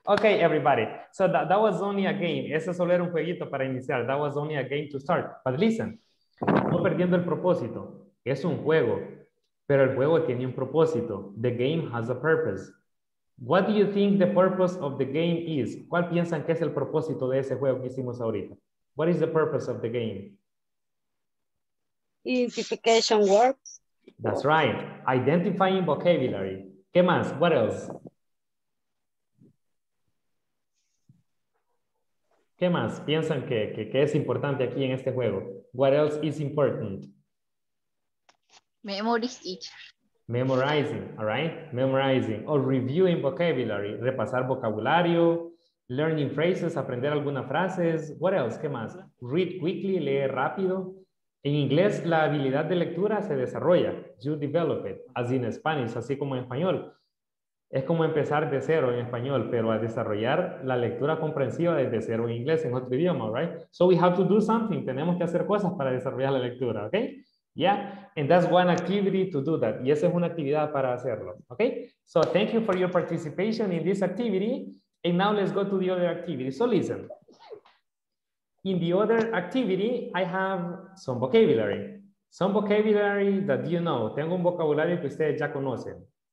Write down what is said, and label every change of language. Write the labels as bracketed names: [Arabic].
[English] Okay, everybody. So that was only a game. [Spanish] Ese solo era un jueguito para iniciar. [English] That was only a game to start. But listen, [Spanish] no perdiendo el propósito. Es un juego. Pero el juego tiene un propósito. [English] The game has a purpose. What do you think the purpose of the game is? [Spanish] ¿Cuál piensan que es el propósito de ese juego que hicimos ahorita? [English] What is the purpose of the game? Identification words. That's right. Identifying vocabulary. [Spanish] ¿Qué más? [English] What else? [Spanish] ¿Qué más piensan que es importante aquí en este juego? [English] What else is important? Memorizing. Memorizing, all right? Memorizing. Or reviewing vocabulary. [Spanish] Repasar vocabulario. [English] Learning phrases. [Spanish] Aprender algunas frases. [English] What else? [Spanish] ¿Qué más? [English] Read quickly. [Spanish] Leer rápido. En inglés, la habilidad de lectura se desarrolla. [English] You develop it, as in Spanish, [Spanish] así como en español. Es como empezar de cero en español, pero a desarrollar la lectura comprensiva desde cero en inglés, en otro idioma, right? [English] So we have to do something. [Spanish] Tenemos que hacer cosas para desarrollar la lectura, okay? [English] Yeah, and that's one activity to do that. [Spanish] Y esa es una actividad para hacerlo, [English] okay? So thank you for your participation in this activity. And now let's go to the other activity. So listen. In the other activity, I have some vocabulary. Some vocabulary that you know. [Spanish] Tengo un vocabulario que ustedes ya conocen.